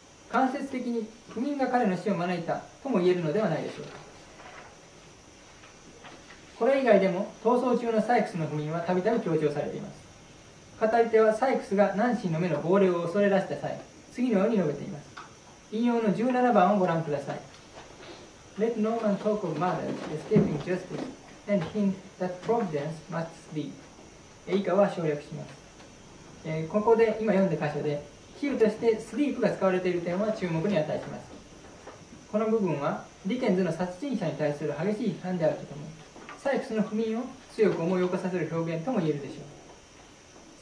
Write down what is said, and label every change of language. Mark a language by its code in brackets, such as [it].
[ja] 間接的に不眠が彼の死を招いたとも言えるのではないでしょうか。これ以外でも、逃走中のサイクスの不眠はたびたび強調されています。語り手はサイクスがナンシーの目の亡霊を恐れ出した際、次のように述べています。引用の17番をご覧ください。 [en] Let no man talk of murder escaping justice and hint that providence must sleep. [ja] 以下は省略します。ここで今読んだ箇所で、比喩としてスリープが使われている点は注目に値します。この部分は、ディケンズの殺人者に対する激しい批判であるとともに、サイクスの不眠を強く思い起こさせる表現とも言えるでしょう。